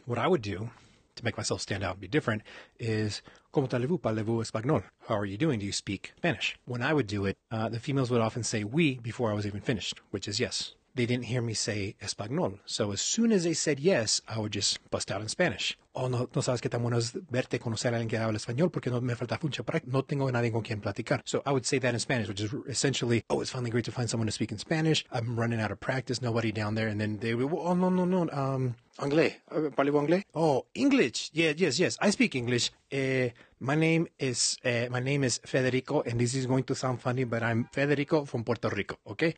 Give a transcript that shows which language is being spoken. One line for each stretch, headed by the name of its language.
English: What I would do to make myself stand out and be different is,
French: "¿Cómo allez-vous? Parlez-vous espagnol?
English: How are you doing? Do you speak Spanish?" When I would do it, the females would often say "we" before I was even finished, which is yes. They didn't hear me say espagnol. So as soon as they said yes, I would just bust out in Spanish.
Spanish: "Oh, no sabes que tan bueno es verte conocer a alguien que habla español porque no me falta mucho para no tengo nadie con quien platicar."
English: So I would say that in Spanish, which is essentially, "Oh, it's finally great to find someone to speak in Spanish. I'm running out of practice. Nobody down there." And then they would, "Oh, no.
French: Anglais. Parlez-vous anglais?
English: Oh, English. Yeah, yes. I speak English. My name is Federico, and this is going to sound funny, but I'm Federico from Puerto Rico, okay?